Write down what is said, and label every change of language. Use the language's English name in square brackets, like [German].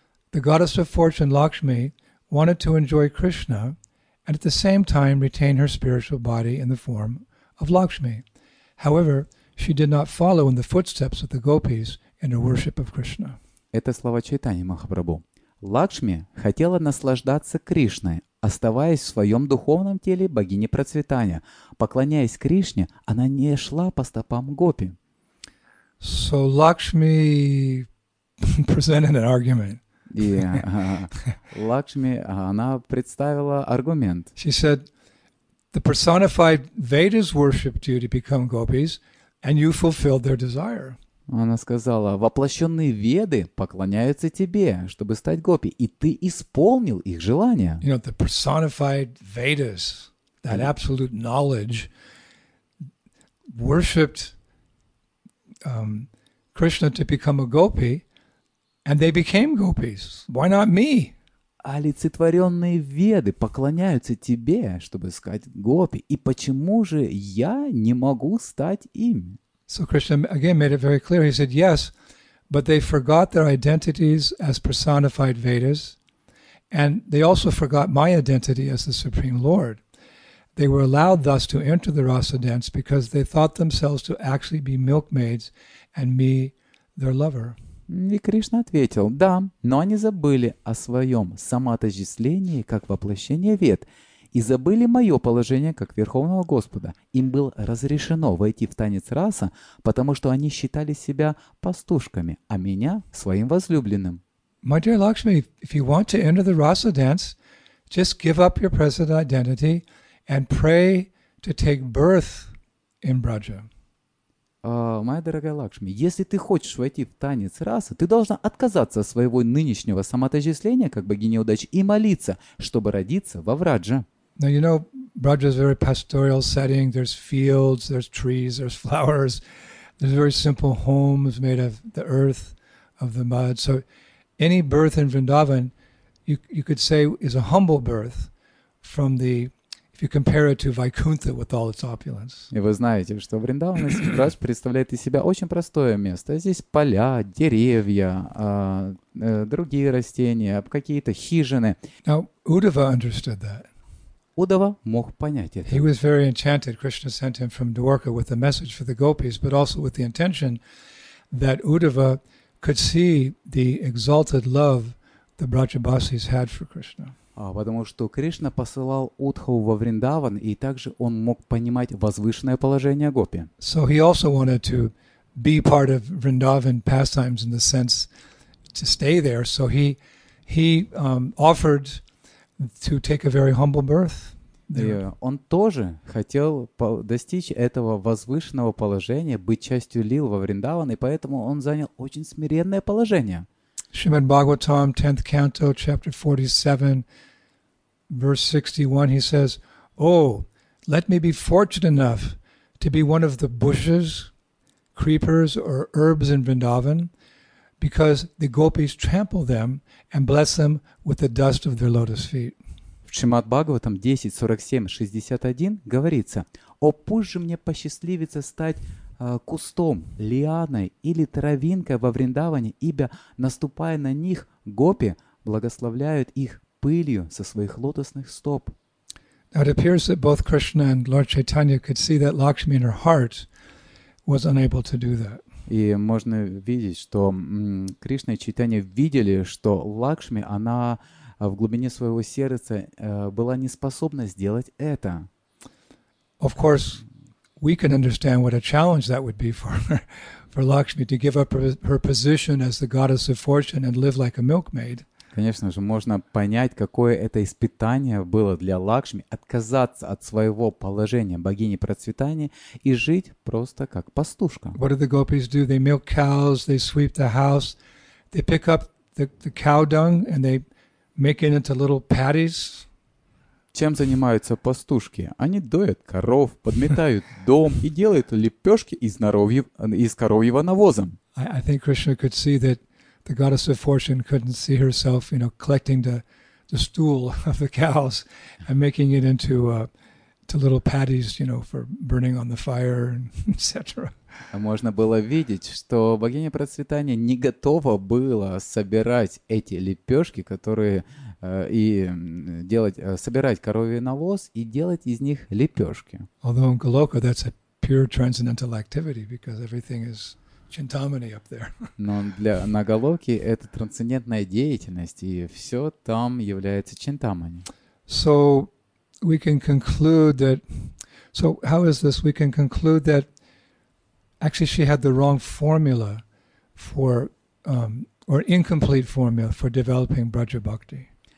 [English] The goddess of fortune, Lakshmi, wanted to enjoy Krishna and at the same time retain her spiritual body in the form of Lakshmi. However, she did not follow in the footsteps of the gopis in her worship of Krishna. [Russian] Это слова Чайтани Махапрабху. Лакшми хотела наслаждаться Кришной, оставаясь в своем духовном теле богини процветания. Поклоняясь Кришне, она не шла по стопам гопи. [English] So Lakshmi presented an argument. [Russian] И Лакшми, она представила аргумент. [English] She said, the personified Vedas worshipped you to become gopis, And you fulfilled their desire. [Russian] Она сказала, воплощенные веды поклоняются тебе, чтобы стать гопи, и ты исполнил их желание. [English] You know, the personified Vedas, that absolute knowledge, worshipped Krishna to become a gopi, and they became gopis. Why not me? [Russian] Олицетворенные веды поклоняются тебе, чтобы стать гопи, и почему же я не могу стать им? [English] So Krishna again made it very clear. He said, yes, but they forgot their identities as personified Vedas, and they also forgot my identity as the Supreme Lord. They were allowed thus to enter the rasa dance because they thought themselves to actually be milkmaids and me their lover. [Russian] И Кришна ответил, да, но они забыли о своем самоотождествлении как воплощение вед и забыли мое положение как Верховного Господа. Им было разрешено войти в танец раса, потому что они считали себя пастушками, а меня — своим возлюбленным. [English] My dear Lakshmi, if you want to enter the rasa dance, just give up your present identity and pray to take birth in Braja. [Russian] Моя дорогая Лакшми, если ты хочешь войти в танец расы, ты должна отказаться от своего нынешнего самоотождествления как богиня удачи и молиться, чтобы родиться во Врадже. [English] Now you know, Braja is a very pastoral setting. There's fields, there's trees, there's flowers. There's very simple homes made of the earth, of the mud. So any birth in Vrindavan, you could say is a humble birth from the if you compare it to Vaikuntha with all its opulence. [Russian] И вы знаете, что Вриндаван представляет из себя очень простое место. Здесь поля, деревья, другие растения, какие-то хижины. [English] Now, Uddhava understood that. [Russian] Uddhava мог понять это. [English] He was very enchanted. Krishna sent him from Dwarka with a message for the gopis, but also with the intention that Uddhava could see the exalted love the Brajabasis had for Krishna. [Russian] Потому что Кришна посылал Удхаву во Вриндаван, и также он мог понимать возвышенное положение гопи. [English] So he also wanted to be part of Vrindavan pastimes in the sense to stay there. So he offered to take a very humble birth. [Russian] Он тоже хотел достичь этого возвышенного положения, быть частью лил во Вриндаван, и поэтому он занял очень смиренное положение. [English] Shrimad Bhagavatam, 10th canto, chapter 47, verse 61, he says, oh, let me be fortunate enough to be one of the bushes, creepers, or herbs in Vrindavan, because the gopis trample them and bless them with the dust of their lotus feet. [Russian] В Шримад Бхагаватам 10.47.61 говорится, о, пусть же мне посчастливится стать кустом, лианой или травинкой во Вриндаване, ибо, наступая на них, гопи благословляют их пылью со своих лотосных стоп. [English] Now it appears that both Krishna and Lord Chaitanya could see that Lakshmi in her heart was unable to do that. [Russian] И можно видеть, что Кришна и Чайтанья видели, что Лакшми, она в глубине своего сердца была не способна сделать это. [English] Of course, we can understand what a challenge that would be for Lakshmi to give up her position as the goddess of fortune and live like a milkmaid. [Russian] Конечно же, можно понять, какое это испытание было для Лакшми отказаться от своего положения богини процветания и жить просто как пастушка. [English] What do the gopis do? They milk cows, they sweep the house, they pick up the cow dung and they make it into little patties. [Russian] Чем занимаются пастушки? Они доят коров, подметают дом и делают лепешки из коровьего навоза. [English] I think Krishna could see that the goddess of fortune couldn't see herself, you know, collecting the stool of the cows and making it into to little patties, you know, for burning on the fire, etc. [Russian] Можно было видеть, что богиня процветания не готова была собирать эти лепешки, которые и делать, собирать коровий навоз и делать из них лепешки. [English] Although in Goloka that's a pure transcendental activity because everything is chintamani up there. [Russian] Но на Голоке это трансцендентная деятельность, и все там является чинтамани. [English] So we can conclude that. So how is this? We can conclude that actually she had the wrong formula for or incomplete formula for developing Braja Bhakti.